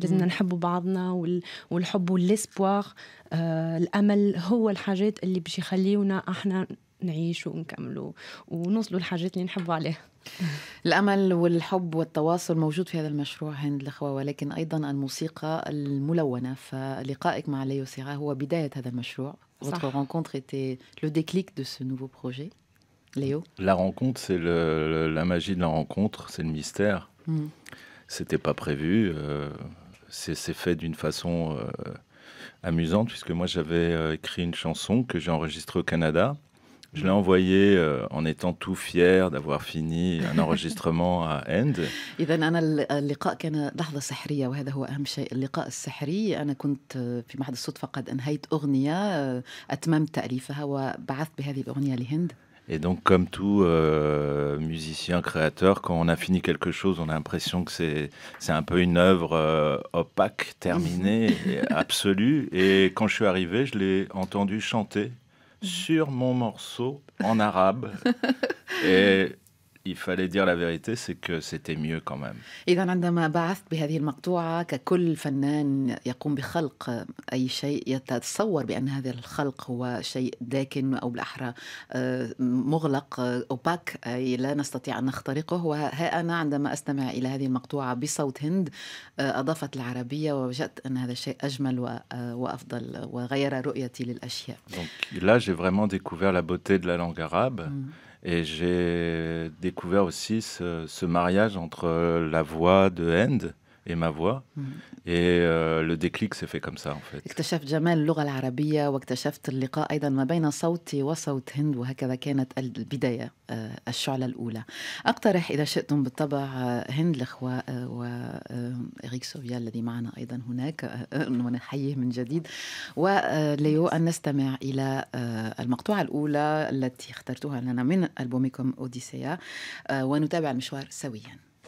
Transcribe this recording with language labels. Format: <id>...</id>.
<ar>لازمنا نحبوا بعضنا والحب والاسبوار الامل هو الحاجات اللي باش يخليونا احنا نعيش ونكمل ونوصلوا الحاجات اللي نحبوا عليها. الأمل والحب والتواصل موجود في هذا المشروع هند الأخوة ولكن أيضا الموسيقى الملونة. فلقائك مع ليو سيرا هو بداية هذا المشروع.</ar> <fr>Votre rencontre était le déclic de ce nouveau projet.</fr> <ar>ليو.</ar> <fr>La rencontre c'est la magie de la rencontre, c'est le mystère. C'était pas prévu. C'est fait d'une façon amusante puisque moi j'avais écrit une chanson que j'ai enregistrée au Canada. Je l'ai envoyé en étant tout fier d'avoir fini un enregistrement à End.</fr> <ar>إذن أنا اللقاء كان لحظة سحرية وهذا هو أهم شيء اللقاء السحري. أنا كنت في محض الصدفة قد أنهيت أغنية أتممت تأليفها وبعثت بهذه الأغنية لهند.</ar> <fr>Et donc comme tout musicien créateur, quand on a fini quelque chose, on a l'impression que c'est un peu une œuvre opaque, terminée, et absolue. Et quand je suis arrivé, je l'ai entendu chanter. Sur mon morceau en arabe. Et il fallait dire la vérité, c'est que c'était mieux quand même.</fr> <ar>إذن عندما بعثت بهذه المقطوعة ككل فنان يقوم بخلق أي شيء يتصور بأن هذا الخلق هو شيء داكن أو بالأحرى مغلق أوباك أي لا نستطيع أن نخترقه وها أنا عندما أستمع إلى هذه المقطوعة بصوت هند أضافت العربية ووجدت أن هذا الشيء أجمل وأفضل وغير رؤيتي للأشياء.</ar> <fr>Donc là j'ai vraiment découvert la beauté de la langue arabe. Et j'ai découvert aussi ce mariage entre la voix de End et ma voix. Et le déclic s'est fait comme ça, en fait.</fr> <ar>اكتشفت جمال اللغة العربية واكتشفت اللقاء أيضا ما بين صوتي وصوت هند وهكذا كانت البداية الشعلة الأولى. أقترح إذا شئتم بالطبع هند الأخوة وإريك سوفيا الذي معنا أيضا هناك ونحييه من جديد وليو أن نستمع إلى المقطوعة الأولى التي اخترتها لنا من ألبومكم أوديسيا ونتابع المشوار سويا.</ar>